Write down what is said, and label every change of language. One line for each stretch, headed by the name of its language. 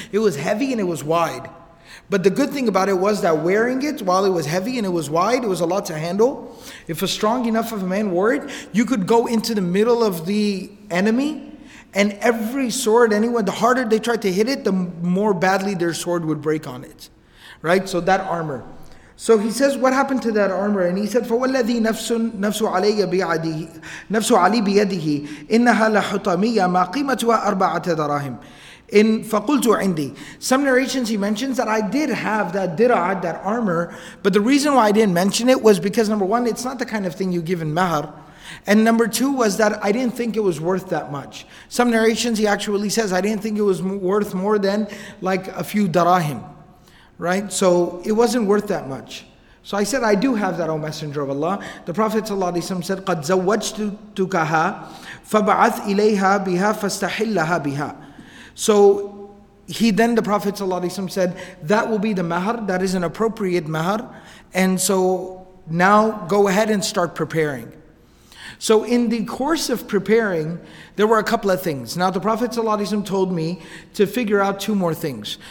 English: It was heavy and it was wide. But the good thing about it was that wearing it, while it was heavy and it was wide, it was a lot to handle. If a strong enough of a man wore it, you could go into the middle of the enemy, and every sword, anyone, the harder they tried to hit it, the more badly their sword would break on it. Right? So that armor. So he says, what happened to that armor? And he said,
Arabic: فَوَالَّذِي نَفْسُ عَلِي بِيَدِهِ إِنَّهَا لَحُطَمِيَّ مَا قِيمَتُهَا أَرْبَعَةَ دَرَاهِمْ. In فَقُلْتُ عِنْدِي.
English: Some narrations he mentions that I did have that dira'at, that armor, but the reason why I didn't mention it was because, number one, it's not the kind of thing you give in mahar. And number two was that I didn't think it was worth that much. Some narrations he actually says, I didn't think it was worth more than like a few dirahim. Right? So it wasn't worth that much. So I said, I do have that, O Messenger of Allah. The Prophet ﷺ said,
Arabic: قَدْ زَوَّجْتُكَهَا فَبَعَثْ إِلَيْهَا بِهَا فَاسْتَحِلَّهَا بِهَا.
English: So he then, the Prophet ﷺ said, that will be the mahar, that is an appropriate mahar. And so now go ahead and start preparing. So in the course of preparing, there were a couple of things. Now the Prophet ﷺ told me to figure out two more things.